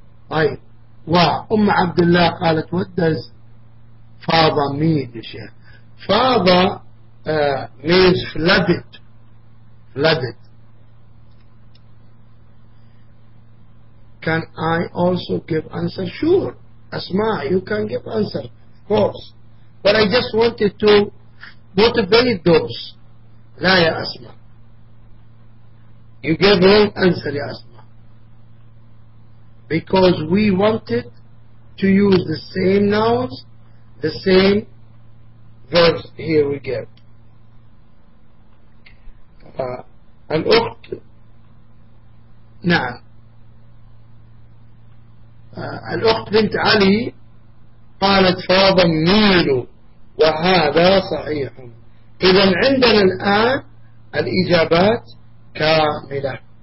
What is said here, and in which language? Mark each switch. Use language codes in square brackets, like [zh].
[ar] طيب وأم عبد الله قالت ودز فاضة مين شيخ. [en] فاضة means flooded. Flooded. Can I also give answer? Sure. Asma, you can give answer. Of course. But I just wanted to motivate those. [ar] La ya [en] Asma. You gave wrong answer, ya Asma. Because we wanted to use the same nouns, the same verbs here we give. [ar] الأخت نعم الأخت بنت علي قالت فاض النيل وهذا صحيح. إذن عندنا الآن الإجابات كاملة.